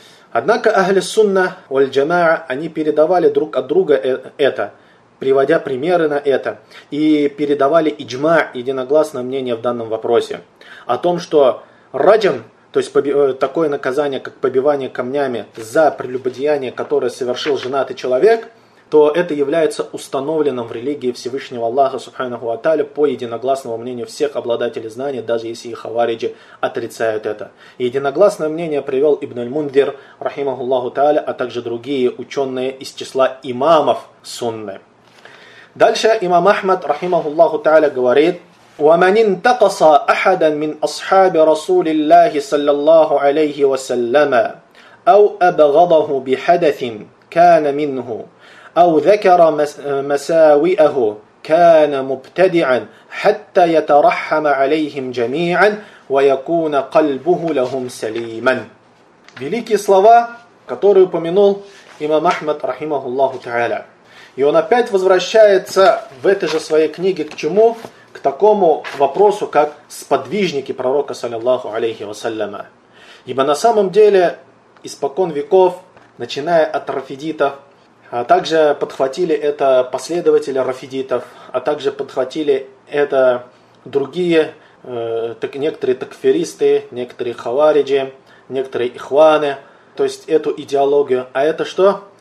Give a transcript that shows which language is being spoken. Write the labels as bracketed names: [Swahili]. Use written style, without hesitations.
[Russian] Однако ахли сунна, валь-джамаа, они передавали друг от друга это, приводя примеры на это, и передавали иджма, единогласное мнение в данном вопросе, о том, что раджм, то есть такое наказание, как побивание камнями за прелюбодеяние, которое совершил женатый человек, то это является установленным в религии Всевышнего Аллаха, субханаху ва тааля, по единогласному мнению всех обладателей знаний, даже если их хавариджи отрицают это. Единогласное мнение привел Ибн аль-Мундир, рахимахуллаху тааля, а также другие ученые из числа имамов сунны. Дальше имам Ахмад, рахимахуллаху тааля, говорит: [Arabic] «ومن انتقص احدا من اصحاب رسول الله صلى الله عليه وسلم او ابغضه بحدث كان منه او ذكر مساوئه كان مبتدعا حتى يترحم عليهم جميعا ويكون قلبه لهم سليما». [Russian] Великие слова, которые упомянул имам Ахмад, рахимахуллаху тааля. И он опять возвращается в этой же своей книге к чему? К такому вопросу, как сподвижники пророка, саллиллаху алейхи вассаляма. Ибо на самом деле, испокон веков, начиная от рафидитов, а также подхватили это последователи рафидитов, а также подхватили это другие, некоторые такфиристы, некоторые хавариджи, некоторые ихваны, то есть эту идеологию. А это что?